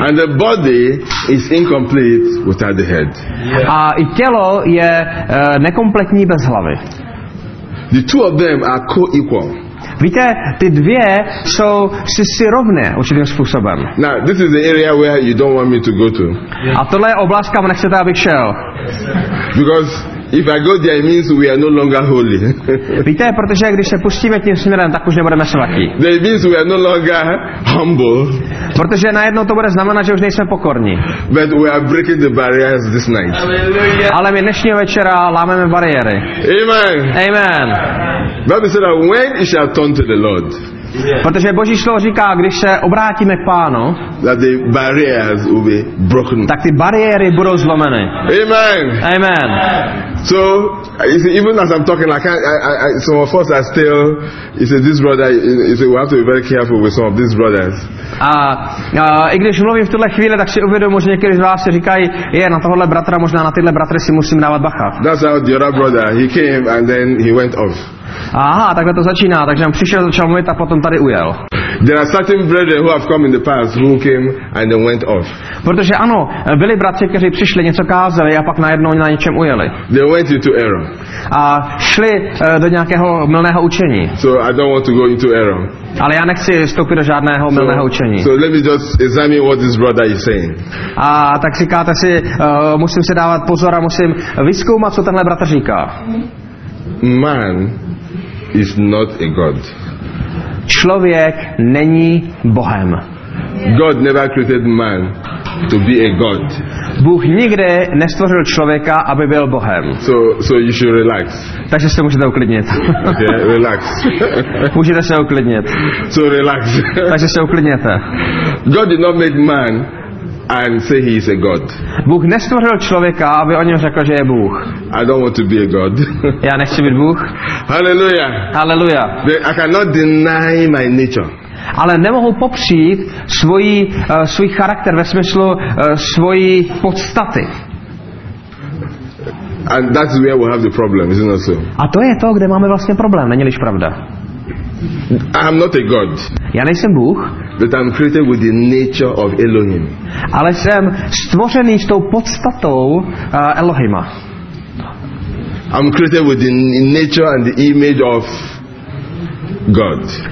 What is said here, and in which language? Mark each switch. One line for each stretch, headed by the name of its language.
English: And the body is incomplete without the head.
Czech: A i tělo je nekompletní bez hlavy.
English: The two of them are co-equal.
Czech: Víte, ty dvě jsou si rovné určitým způsobem.
English: Now, this is the area where you don't want me to go to.
Czech: A tohle je oblast, kam nechcete, abych šel.
English: Because if I go there, it means we are no longer holy.
Czech: Víte, protože když se pustíme tím směrem, tak už nebudeme svatí.
English: It means we are no longer humble.
Czech: Protože najednou to bude znamenat, že už nejsme pokorní.
English: But we are breaking the barriers this night.
Czech: Ale my dnešního večera lámeme bariéry. Amen. Amen.
English: Bible said that when you shall turn to the Lord.
Czech: Protože Boží slovo říká, když se obrátíme k Pánu,
English: that the barriers will be broken.
Czech: Tak ty bariéry budou zlomeny. Amen. Amen.
English: So, you see, even as I'm talking, I some of us are still, you see, this brother, you see, we have to be very careful with some of these brothers.
Czech: A i když mluvím v tuhle chvíli, tak si uvědomuji, že někteří z vás si říkají, je, na tohle bratra, možná na tyhle bratry si musím dávat bacha.
English: That's how the other brother, he came and then he went off.
Czech: Aha, takhle to začíná, takže on přišel, začal mluvit a potom tady ujel.
English: There are certain brethren who have come in the past who came and then went off.
Czech: Protože ano, byli bratři, kteří přišli, něco kázali a pak najednou na něčem ujeli.
English: They went into error.
Czech: A šli do nějakého mylného učení.
English: So I don't want to go into error.
Czech: Ale já nechci vstoupit do žádného mylného učení.
English: So let me just examine what this brother is saying.
Czech: A tak říkáte si, musím si dávat pozor a musím vyzkoumat, co tenhle bratr říká.
English: Man is not a god.
Czech: Člověk není bohem.
English: God never created man to be a god.
Czech: Bůh nikdy nestvořil člověka, aby byl bohem.
English: So you should relax.
Czech: Takže se můžete uklidnit.
English: Okay, relax.
Czech: Můžete se uklidnit.
English: So relax.
Czech: Takže se uklidněte.
English: God did not make man and say he is a god.
Czech: Bůh nestvořil člověka, aby o něm řekl, že je Bůh.
English: I don't want to be a god.
Czech: Já nechci být Bůh. Hallelujah. Hallelujah.
English: I cannot deny my nature.
Czech: Ale nemohu popřít svůj charakter ve smyslu svojí podstaty.
English: And that's where we have the problem, isn't it so?
Czech: A to je to, kde máme vlastně problém, není-liž pravda?
English: I am not a god.
Czech: Já nejsem Bůh.
English: But I'm created with the nature of Elohim.
Czech: Ale jsem stvořený s tou podstatou Elohima.
English: I'm created with the nature and the image of God.